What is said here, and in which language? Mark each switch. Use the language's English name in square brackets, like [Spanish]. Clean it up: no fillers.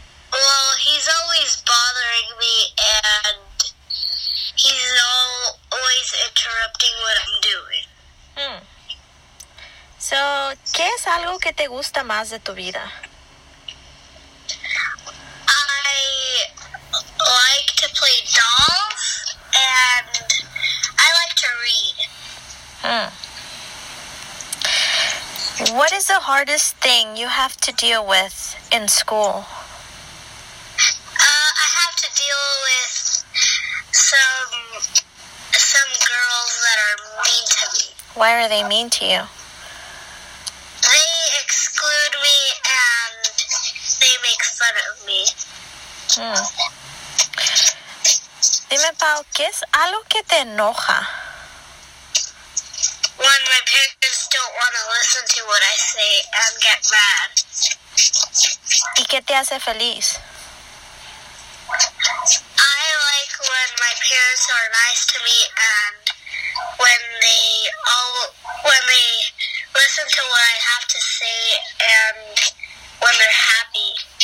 [English] Well, he's always bothering me and he's always interrupting what I'm doing. [Spanish] So, ¿qué es algo que te gusta más de tu vida? [English] I like to play dolls and I like to read. What is the hardest thing you have to deal with in school? I have to deal with some girls that are mean to me. Why are they mean to you? They exclude me and they make fun of me. [Spanish] Dime, Pau, ¿qué es algo que te enoja? [English] When my parents don't want to listen to what I say and get mad. [Spanish] ¿Y qué te hace feliz? [English] I like when my parents are nice to me and when they listen to what I have to say and when they're happy.